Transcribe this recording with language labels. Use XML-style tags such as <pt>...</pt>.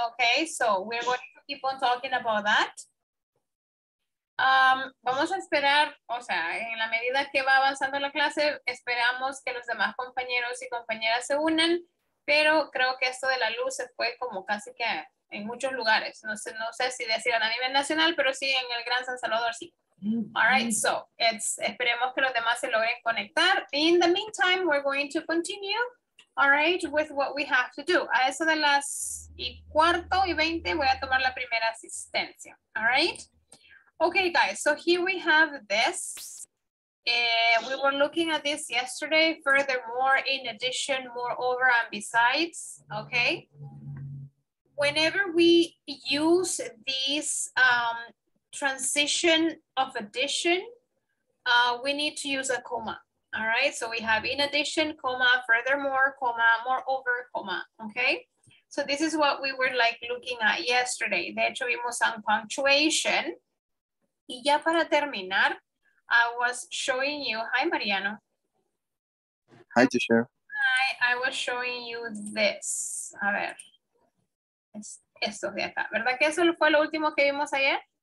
<en>Okay, so we're going to keep on talking about that.</en> <es>Vamos a esperar, o sea, en la medida que va avanzando la clase, esperamos que los demás compañeros y compañeras se unan, pero creo que esto de la luz se fue como casi que en muchos lugares. No sé si decir a nivel nacional, pero sí en el Gran San Salvador, sí.</es> <en>All right, so</en> <es>esperemos que los demás se logren conectar.</es> <en>In the meantime, we're going to continue. All right, with what we have to do.</en> <es>A eso de las y cuarto y 20 voy a tomar la primera asistencia.</es> <en>All right. Okay, guys, so here we have this. We were looking at this yesterday. Furthermore, in addition, moreover, and besides. Okay. Whenever we use this transition of addition, we need to use a comma. All right, so we have in addition, comma, furthermore, comma, moreover, comma, okay? So this is what we were like looking at yesterday.</en> <es>De hecho, vimos</es> <en>some punctuation.</en> <es>Y ya para terminar,</es> <en>I was showing you, hi, Mariano. Hi, teacher. Hi, I was showing you this.</en> <es>A ver, esto de acá. ¿Verdad que eso fue lo último que vimos ayer?</es>